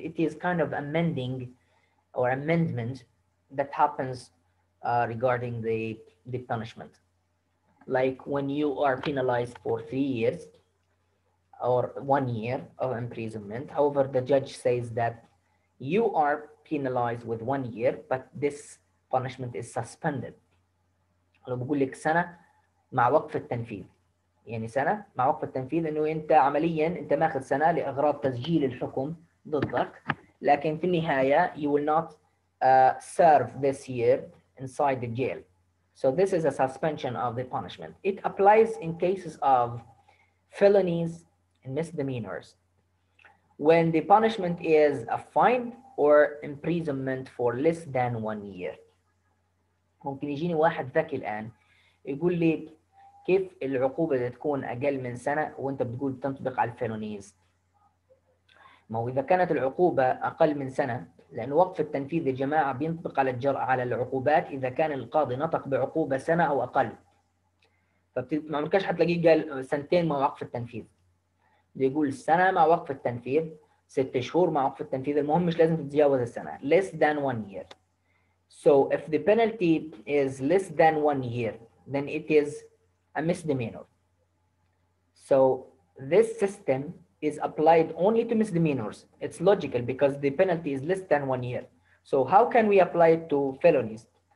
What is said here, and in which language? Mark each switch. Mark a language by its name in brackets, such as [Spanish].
[English] It is kind of amending or amendment that happens regarding the punishment. Like when you are penalized for 3 years or 1 year of imprisonment, however, the judge says that you are penalized with 1 year, but this punishment is suspended. [Arabic] لو بقول لك سنة مع وقف التنفيذ يعني سنة مع وقف التنفيذ انه انت عمليا انت ماخذ سنة لاغراض تسجيل الحكم ضدك لكن في النهاية [English] you will not serve this year inside the jail. So this is a suspension of the punishment. It applies in cases of felonies and misdemeanors when the punishment is a fine or imprisonment for less than 1 year. [Arabic] ممكن يجيني واحد ذكي الآن يقول لي كيف العقوبة تكون أقل من سنة وأنت بتقول تنطبق على الفيلونيز؟ ما هو إذا كانت العقوبة أقل من سنة لأن وقف التنفيذ الجماعة بينطبق على العقوبات إذا كان القاضي نطق بعقوبة سنة أو أقل. فما عمركش حتلاقيه قال سنتين مع وقف التنفيذ. يقول سنة مع وقف التنفيذ، 6 شهور مع وقف التنفيذ، المهم مش لازم تتجاوز السنة. [English] Less than 1 year. So if the penalty is less than 1 year, then it is a misdemeanor. So this system is applied only to misdemeanors. It's logical because the penalty is less than 1 year. So how can we apply it to felonies?